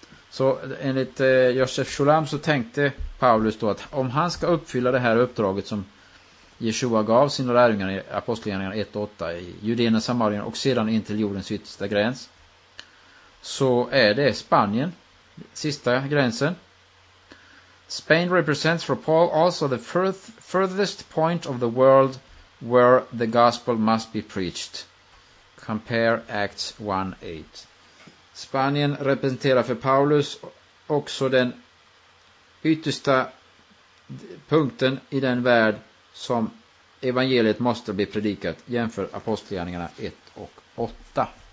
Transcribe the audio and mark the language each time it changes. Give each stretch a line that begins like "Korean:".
Swedish: Så enligt Josef Scholam så tänkte Paulus då att om han ska uppfylla det här uppdraget som Yeshua gav sina lärjungar i Apostlagärningarna 1-8 i Judén och Samarien och sedan in till jordens yttersta gräns, så är det Spanien, sista gränsen.
English: Spain represents for Paul also the furthest point of the world where the gospel must be preached. Compare Acts 1:8.
Swedish: Spanien representerar för Paulus också den yttersta punkten i den värld som evangeliet måste bli predikat, jämför apostelgärningarna 1 och 8.